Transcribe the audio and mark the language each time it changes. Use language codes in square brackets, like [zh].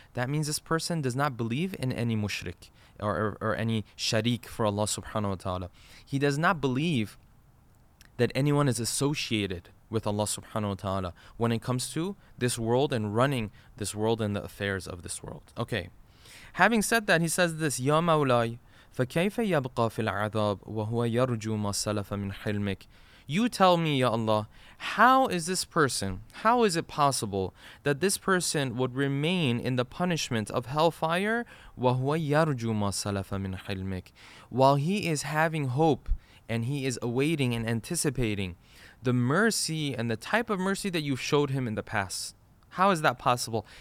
[en] That means this person does not believe in any mushrik or any sharik for Allah subhanahu wa ta'ala. He does not believe that anyone is associated with Allah subhanahu wa ta'ala when it comes to this world and running this world and the affairs of this world. Okay. Having said that, he says this, Ya Mawlai, [ar] فَكَيْفَ يَبْقَى فِي الْعَذَابِ وَهُوَ يَرْجُو مَا سَلَفَ مِنْ حِلْمِكَ. [en] You tell me, Ya Allah, how is this person, how is it possible that this person would remain in the punishment of hellfire, [ar] وَهُوَ يَرْجُو مَا سَلَفَ مِنْ حِلْمِكَ, [en] while he is having hope and he is awaiting and anticipating the mercy and the type of mercy that you've showed him in the past. How is that possible?